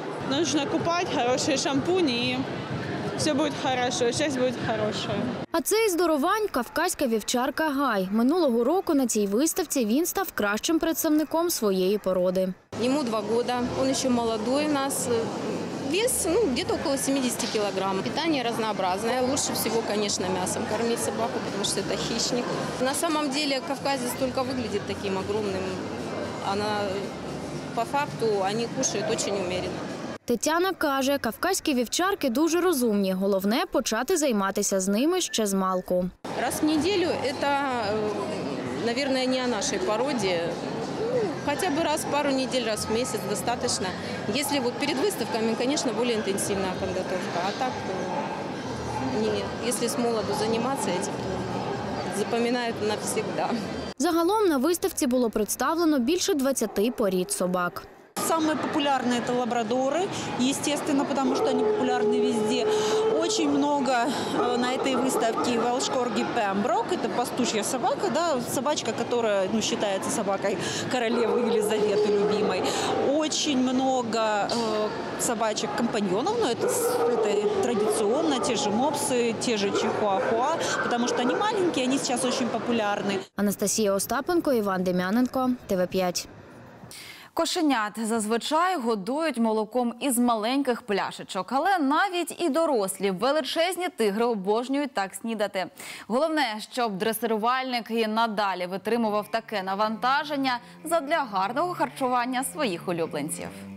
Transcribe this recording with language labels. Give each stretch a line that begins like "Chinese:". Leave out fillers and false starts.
Ukrainian: Нужно купати хороші шампуні і... Все буде добре, щось буде добре. А це і здорувань – кавказька вівчарка Гай. Минулого року на цій виставці він став кращим представником своєї породи. Йому 2 роки, він ще молодий у нас.
Russian: Вес, ну, где-то около 70 кілограм. Питання разнообразне. Лучше всего, конечно, м'ясом кормить собаку, потому что это хищник. На самом деле кавказец только выглядит таким огромным. Она, по факту, они кушают очень умеренно.
Ukrainian: Тетяна каже, кавказькі вівчарки дуже розумні. Головне – почати займатися з ними ще з малку. Раз в неділю – це, мабуть, не о нашій породі. Хоча б раз, пару неділь, раз в місяць – достатньо. Якщо перед виставками, звісно, більш інтенсивна підготовка. А так, якщо з молоду займатися, запам'ятають навсегда. Загалом на виставці було представлено більше 20 порід собак.
Russian: Самые популярные – это лабрадоры, естественно, потому что они популярны везде. очень много на этой выставке Велшкорги Пемброк. Это пастушья собака, да, собачка, которая, ну, считается собакой королевы Елизаветы любимой. Очень много собачек-компаньонов, но это традиционно, те же мопсы, те же чихуахуа, потому что они маленькие, они сейчас очень популярны.
Ukrainian: Анастасія Остапенко, Іван Дем'яненко, ТВ5. Кошенят зазвичай годують молоком із маленьких пляшечок, але навіть і дорослі величезні тигри обожнюють так снідати. Головне, щоб дресирувальник і надалі витримував таке навантаження задля гарного харчування своїх улюбленців.